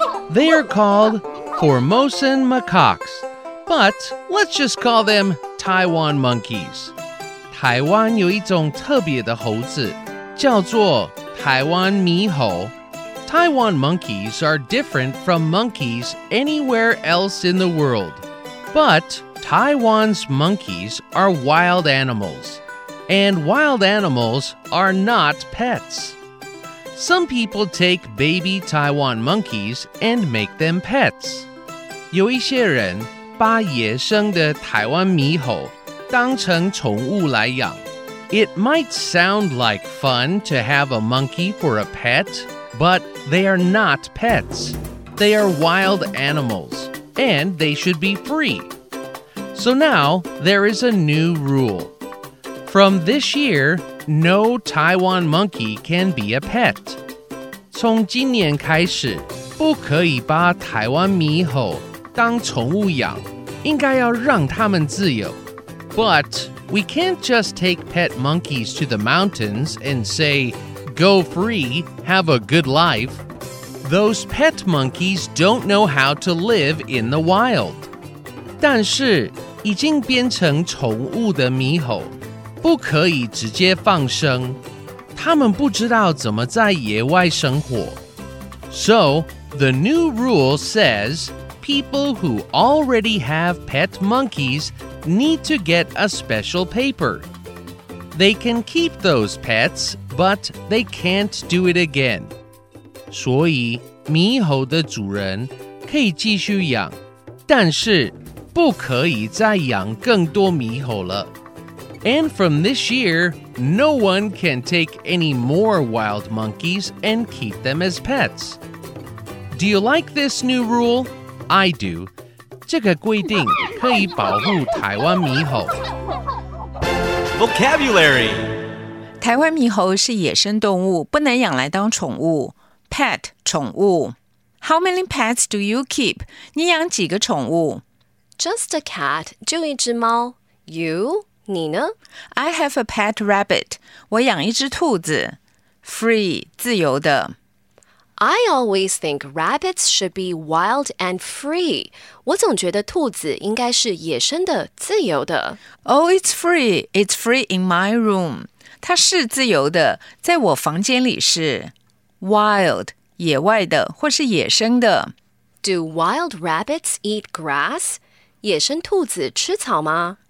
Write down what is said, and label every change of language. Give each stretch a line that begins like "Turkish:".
English: They are called Formosan Macaques, but let's just call them Taiwan monkeys.
Chinese: 台湾有一种特别的猴子。叫做台湾猼猴。
English: Taiwan monkeys are different from monkeys anywhere else in the world. But Taiwan's monkeys are wild animals. And wild animals are not pets. Some people take baby Taiwan monkeys and make them pets.
Chinese: 有一些人把野生的台湾猼猴当成宠物来养。
English: It might sound like fun to have a monkey for a pet, but they are not pets. They are wild animals, and they should be free. So now, there is a new rule. From this year, no Taiwan monkey can be a pet.
Chinese: 从今年开始，不可以把台湾猼猴当宠物养，应该要让它们自由。
English: But... We can't just take pet monkeys to the mountains and say, go free, have a good life. Those pet monkeys don't know how to live in the wild.
Chinese: 但是已经变成宠物的猕猴不可以直接放生。他们不知道怎么在野外生活。
English: So, the new rule says, people who already have pet monkeys... need to get a special paper. They can keep those pets, but they can't do it again.
Chinese: 所以猕猴的主人可以继续养，但是不可以再养更多猕猴了。
English: And from this year, no one can take any more wild monkeys and keep them as pets. Do you like this new rule? I do.
Chinese: 这个规定可以保护台湾猕猴。
English: Vocabulary：
Chinese: 台湾猕猴是野生动物，不能养来当宠物。
English: Pet：
Chinese: 宠物。
English: How many pets do you keep？
Chinese: 你养几个宠物
English: ？Just a cat，
Chinese: 就一只猫。
English: You？
Chinese: 你呢
English: ？I have a pet rabbit。
Chinese: 我养一只兔子。 Free， 自由的。
English: I always think rabbits should be wild and free.
Chinese: 我总觉得兔子应该是野生的、自由的。
English: Oh, it's free. It's free in my room.
Chinese: 它是自由的，在我房间里是。 Wild, 野外的或是野生的。
English: Do wild rabbits eat grass?
Chinese: 野生兔子吃草吗